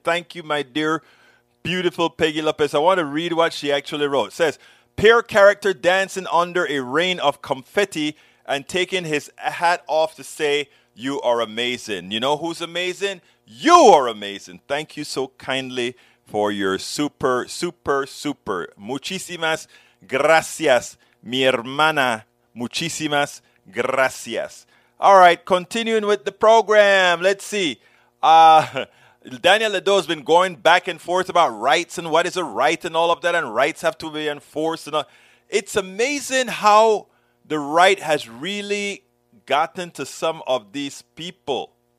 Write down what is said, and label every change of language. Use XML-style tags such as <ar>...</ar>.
<en>Thank you, my dear, beautiful Peggy Lopez. I want to read what she actually wrote. It says, pair character dancing under a rain of confetti and taking his hat off to say, you are amazing. You know who's amazing? You are amazing. Thank you so kindly for your super, super, super.</en> <es>Muchísimas gracias, mi hermana. Muchísimas gracias.</es> <en>All right, continuing with the program. Let's see. Daniel Ledo has been going back and forth about rights and what is a right and all of that, and rights have to be enforced. And it's amazing how the right has really gotten to some of these people.</en>